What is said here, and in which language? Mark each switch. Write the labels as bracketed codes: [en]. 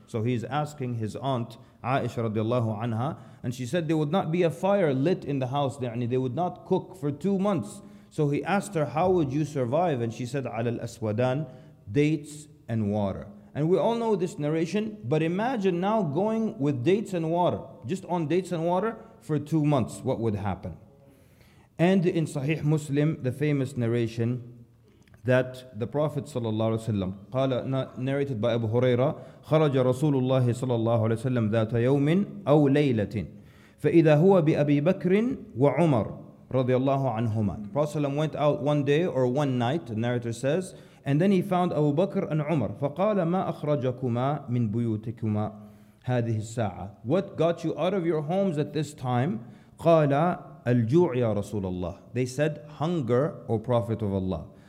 [en] So he's asking his aunt Aisha radiallahu anha, and she said there would not be a fire lit in the house, they would not cook for 2 months. So he asked her, how would you survive? And she said, [ar] عَلَى الْأَسْوَدَانِ, [en] dates and water. And we all know this narration, but imagine now going with dates and water, just on dates and water for 2 months, what would happen? And in Sahih Muslim, the famous narration that the Prophet sallallahu alaihi wasallam [ar] قال, [en] narrated by Abu Huraira, [ar] خرج رسول الله صلى الله عليه وسلم ذات يوم أو ليلة فإذا هو بأبي بكر وعمر رضي الله عنهما. [en] The Prophet went out one day or one night, the narrator says, and then he found Abu Bakr and Umar. [ar] فقال ما أخرجكما من بيوتكما هذه الساعة. [en] What got you out of your homes at this time? [ar] قال الجوع يا رسول الله. [en] They said, hunger, O Prophet of Allah.